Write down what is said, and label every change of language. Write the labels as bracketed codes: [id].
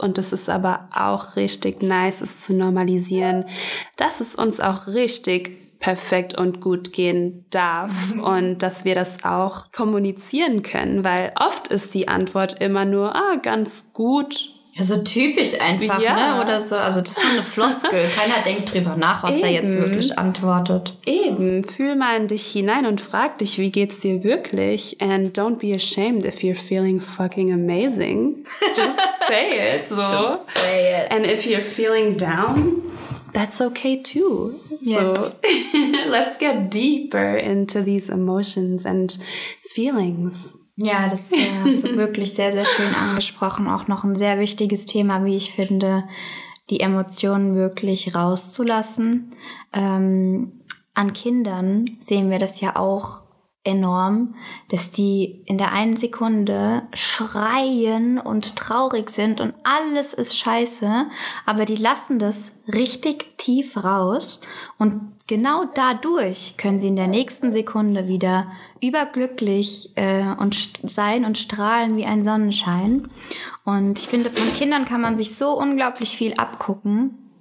[de] Und es ist aber auch richtig nice, es zu normalisieren, dass es uns auch richtig perfekt und gut gehen darf und dass wir das auch kommunizieren können, weil oft ist die Antwort immer nur, ganz gut. Ja, so typisch einfach, ja, ne, oder so. Also das ist schon eine Floskel. Keiner denkt drüber nach, was er jetzt wirklich antwortet. Eben, fühl mal in dich hinein und frag dich, wie geht's dir wirklich? [en] And don't be ashamed if you're feeling fucking amazing. Just say it, so. Just say it. And if you're feeling down, that's okay too. Yeah. So let's get deeper into these emotions and feelings. [de] Ja, das ist wirklich sehr, sehr schön angesprochen. Auch noch ein sehr wichtiges Thema, wie ich finde, die Emotionen wirklich rauszulassen. An Kindern sehen wir das ja auch enorm, dass die in der einen Sekunde schreien und traurig sind und alles ist scheiße, aber die lassen das richtig tief raus und genau dadurch können sie in der nächsten Sekunde wieder überglücklich sein und strahlen wie ein Sonnenschein. Und ich finde, von Kindern kann man sich so unglaublich viel abgucken,